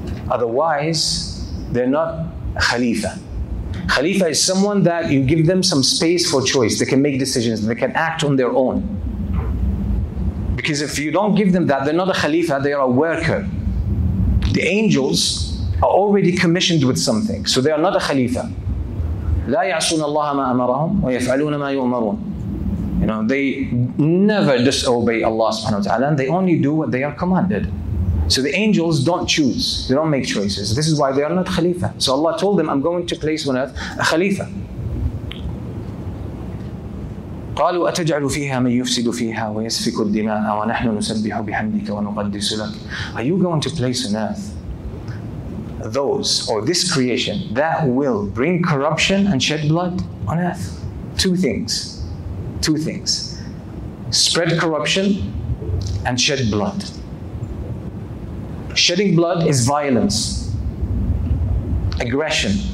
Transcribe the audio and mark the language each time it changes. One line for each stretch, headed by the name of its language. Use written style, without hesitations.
English: Otherwise, they're not khalifa. Khalifa is someone that you give them some space for choice. They can make decisions, they can act on their own. Because if you don't give them that, they're not a khalifa, they are a worker. The angels are already commissioned with something, so they are not a khalifa.
Arabic: لا يعصون الله ما أمرهم ويفعلون ما يؤمرون.
English: You know, they never disobey Allah subhanahu wa ta'ala, and they only do what they are commanded. So the angels don't choose, they don't make choices. This is why they are not khalifa. So Allah told them, I'm going to place on earth a khalifa.
Arabic: قالوا أتجعل فيها من يفسد فيها ويسفك الدماء ونحن نسبح بحمدك ونقدس لك.
English: Are you going to place on earth those, or this creation, that will bring corruption and shed blood on earth? Two things. Spread corruption and shed blood. Shedding blood is violence, aggression.